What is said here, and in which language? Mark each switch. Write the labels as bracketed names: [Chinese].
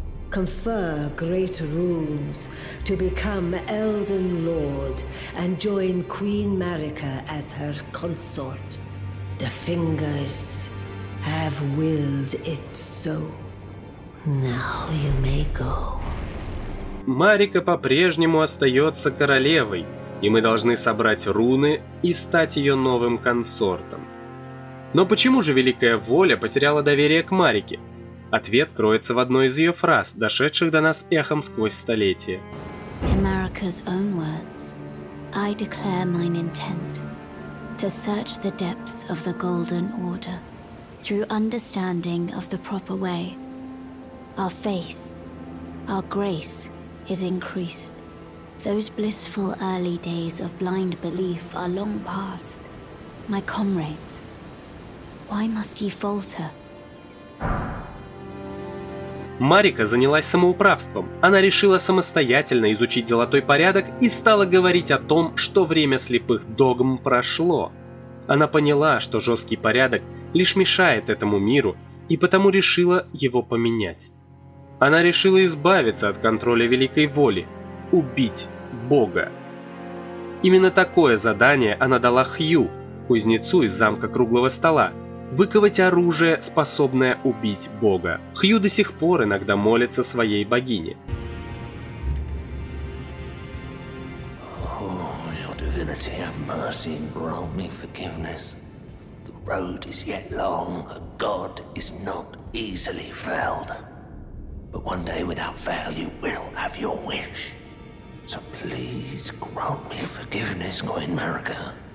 [English] Confer great runes to become Elden Lord and join Queen Marika as her consort. The fingers have willed it so. Now you may go. [Russian] Марика по-прежнему остается королевой, и мы должны собрать руны и стать ее новым консортом. Но почему же Великая Воля потеряла доверие к Марике? Ответ кроется в одной из ее фраз, дошедших до нас эхом сквозь столетия. [English] America's own words. I declare mine intent to search the depths of the Golden Order through understanding of the proper way. Our faith, our grace is increased. Those blissful early days of blind belief are long past. My comrades, why must ye falter? [Russian] Марика занялась самоуправством. Она решила самостоятельно изучить золотой порядок и стала говорить о том, что время слепых догм прошло. Она поняла, что жесткий порядок лишь мешает этому миру, и потому решила его поменять. Она решила избавиться от контроля Великой Воли, убить Бога. Именно такое задание она дала Хью, кузнецу из замка Круглого Стола. Выковать оружие, способное убить бога. Хью до сих пор иногда молится своей богине. [English] О, your divinity, have mercy and grant me forgiveness. The road is yet long, a god is not easily felled. But one day without fail you will have your wish. So please grant me forgiveness, Queen Marika.